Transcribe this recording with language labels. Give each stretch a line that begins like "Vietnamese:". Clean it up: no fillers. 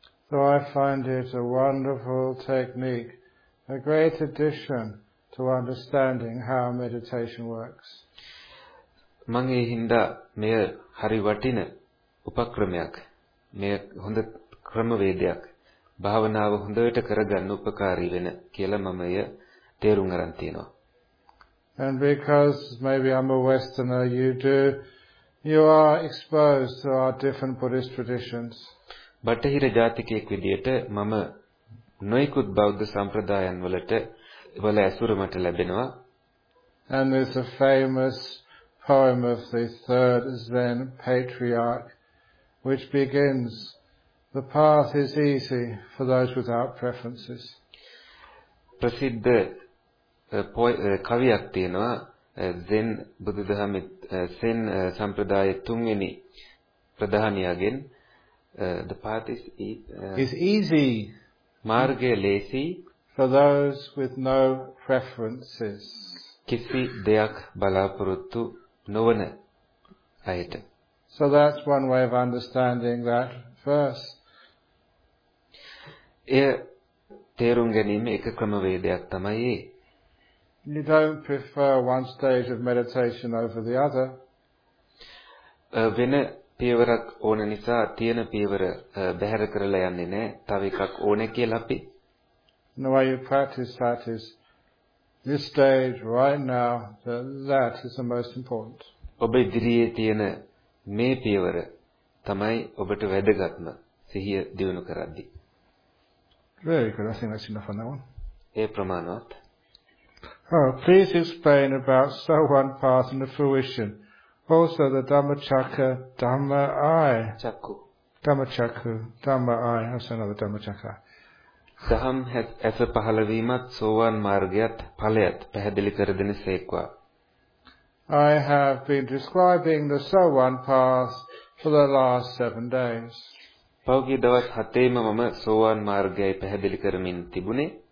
English: So I find it a wonderful technique, a great addition to understanding how meditation works.
Sinhala: මම ඒ හින්දා මෙය හරි වටින උපක්‍රමයක්, මෙය හොඳ ක්‍රමවේදයක්, භාවනාව හොඳට කරගන්න උපකාරී වෙන කියලා මම එය තේරුම් ගන්න තියෙනවා.
English: And because maybe I'm a Westerner, you do You are exposed to our different Buddhist traditions.
Sinhala: බටහිර ජාතිකයෙක් විදිහට මම නොයෙකුත් බෞද්ධ සම්ප්‍රදායන් වලට වල ඇසුර මට ලැබෙනවා.
English: And there's a famous poem of the third Zen patriarch, which begins, "The path is easy for those without preferences."
Sinhala: ප්‍රසිද්ධ කවියක් තියෙනවා Zen බුදුදහමේ Zen සම්ප්‍රදායේ තුන්වෙනි ප්‍රධානියාගෙන්
English: the path is easy.
Sinhala: මාර්ගය ලේසි.
English: For those with no preferences.
Sinhala: කිසි දෙයක් බලාපොරොත්තු නොවන අයට.
English: So that's one way of understanding that verse.
Sinhala: ඒ තේරුම් ගැනීම එක ක්‍රමවේදයක් තමයි.
English: You don't prefer one stage of meditation over the other.
Sinhala: වෙන පියවරක් ඕන නිසා තියෙන පියවර බැහැර කරලා යන්නේ නැහැ. තව එකක් ඕනේ කියලා අපි.
English: The way you practice that is this stage right now, that is the most important.
Sinhala: ඔබ ඉදිරියේ තියෙන මේ පියවර තමයි ඔබට වැදගත්ම සිහිය දිනු කරද්දී.
English: Very good. I think that's enough on that one.
Sinhala: ඒ ප්‍රමාණවත්.
English: Oh, please explain about so one path and the fruition. Also the Dhammacakka, Dhamma I. Chakku. Dhammacakku, Dhamma I. That's another Dhammacakka.
Sinhala: දහම් ඇස පහළ වීමත් සෝවාන් මාර්ගයත් ඵලයත් පැහැදිලි කර දෙන සේක්වා.
English: I have been describing the Sowan path for the last 7 days.
Sinhala: පෞගී දවස් 7ේම මම සෝවාන් මාර්ගයයි පැහැදිලි කරමින් තිබුණේ.